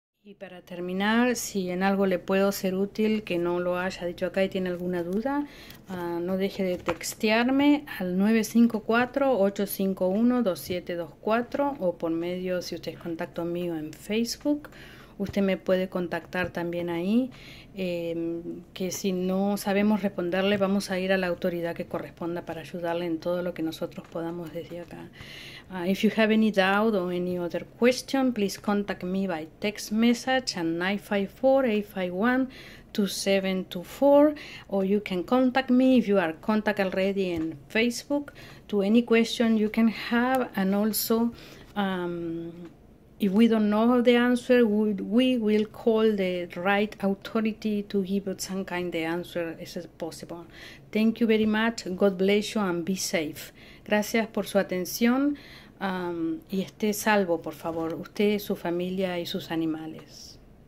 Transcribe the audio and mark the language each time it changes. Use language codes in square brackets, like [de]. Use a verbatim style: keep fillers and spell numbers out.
[es] Y para terminar, si en algo le puedo ser útil que no lo haya dicho acá y tiene alguna duda, ah, no deje de textearme al nueve cinco cuatro, ocho cinco uno, dos siete dos cuatro o por medio, si usted es contacto mío en Facebook, usted me puede contactar también ahí, eh, que si no sabemos responderle, vamos a ir a la autoridad que corresponda para ayudarle en todo lo que nosotros podamos desde acá. [en] Uh, if you have any doubt or any other question, please contact me by text message at nine five four, eight five one, two seven two four, or you can contact me if you are contact already in Facebook to any question you can have, and also um, if we don't know the answer, we will call the right authority to give us some kind of answer as possible. Thank you very much. God bless you and be safe. [es] Gracias por su atención um, y esté salvo, por favor, usted, su familia y sus animales.